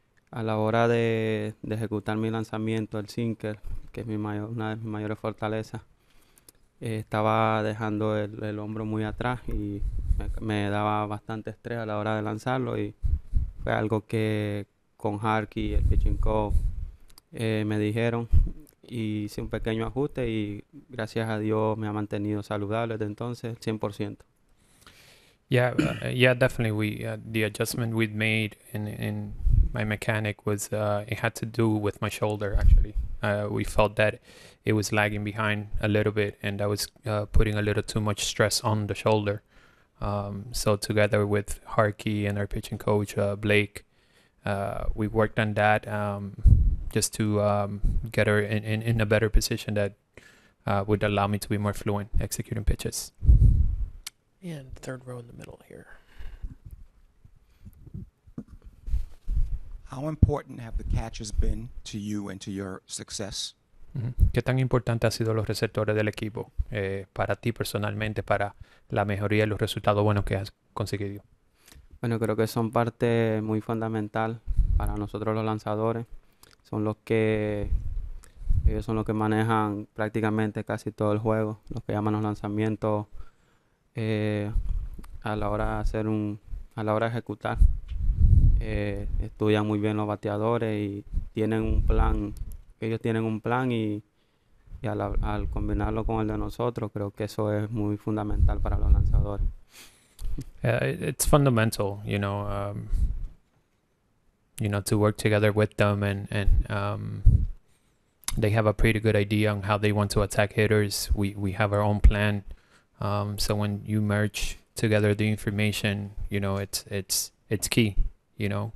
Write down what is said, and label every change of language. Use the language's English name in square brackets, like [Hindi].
[Spanish] A la hora de ejecutar mi lanzamiento, el sinker, que es una de mis mayores fortalezas, estaba dejando el hombro muy atrás y me daba bastante estrés a la hora de lanzarlo. Y fue algo que con Harky, el pitching coach, me dijeron. Y hice un pequeño ajuste y gracias a Dios me ha mantenido saludable desde entonces, 100%. [English] Yeah, definitely. The adjustment we'd made in my mechanic was it had to do with my shoulder. Actually, we felt that it was lagging behind a little bit, and I was putting a little too much stress on the shoulder. So together with Harky and our pitching coach Blake, we worked on that just to get her in a better position that would allow me to be more fluent executing pitches. And third row in the middle here. How important have the catchers been to you and to your success? [Spanish] ¿Qué tan importante ha sido los receptores del equipo para ti personalmente, para la mejoría y los resultados buenos que has conseguido? Bueno, creo que son parte muy fundamental para nosotros los lanzadores. Ellos son los que manejan prácticamente casi todo el juego, los que llaman los lanzamientos. A la hora de ejecutar, estudian muy bien los bateadores y tienen un plan. Ellos tienen un plan y al combinarlo con el de nosotros, creo que eso es muy fundamental para los lanzadores. [English] It's fundamental, to work together with them and they have a pretty good idea on how they want to attack hitters. We have our own plan. So when you merge together the information, you know, it's key, you know.